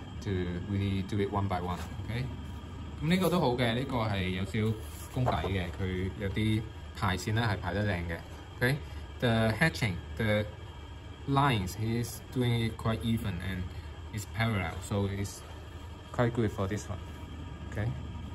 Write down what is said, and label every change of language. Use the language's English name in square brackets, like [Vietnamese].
[English] To really do it one by one, okay? [Cantonese] 咁呢個都好嘅，呢個係有少功底嘅，佢有啲排線咧係排得靚嘅。 [English] Okay, the hatching, the lines, he is doing it quite even and it's parallel, so it's quite good for this one. Okay.